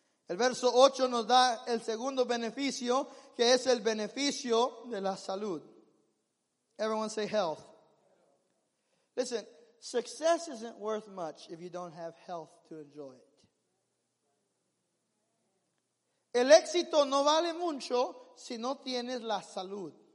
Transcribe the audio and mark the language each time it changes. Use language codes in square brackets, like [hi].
[es] El verso 8 nos da el segundo beneficio, que es el beneficio de la salud. [en] Everyone say health. Listen, success isn't worth much if you don't have health to enjoy it. [es] El éxito no vale mucho si no tienes la salud.